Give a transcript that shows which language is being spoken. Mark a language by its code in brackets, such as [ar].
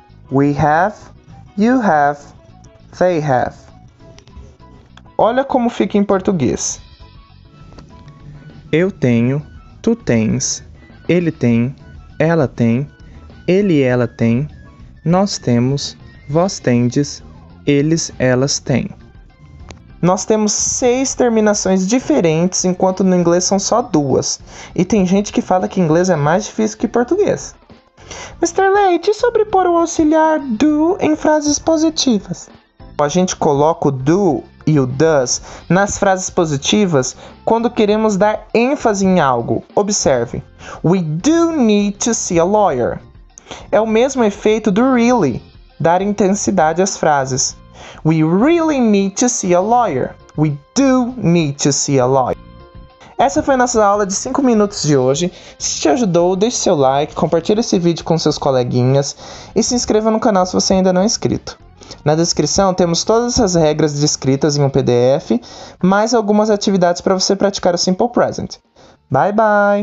[en] We have, you have, they have. [pt] Olha como fica em português. Eu tenho, tu tens, ele tem, ela tem, ele e ela tem. Nós temos, vós tendes, eles, elas têm. Nós temos 6 terminações diferentes, enquanto no inglês são só 2. E tem gente que fala que inglês é mais difícil que português. Mr. Leite, e sobre pôr o auxiliar do em frases positivas? A gente coloca o do e o does nas frases positivas quando queremos dar ênfase em algo. Observe. [en] We do need to see a lawyer. [pt] É o mesmo efeito do really, dar intensidade às frases. [en] We really need to see a lawyer. We do need to see a lawyer. [pt] Essa foi a nossa aula de 5 minutos de hoje. Se te ajudou, deixe seu like, compartilhe esse vídeo com seus coleguinhas e se inscreva no canal se você ainda não é inscrito. Na descrição temos todas essas regras descritas em um PDF, mais algumas atividades para você praticar o Simple Present. [en] Bye, bye!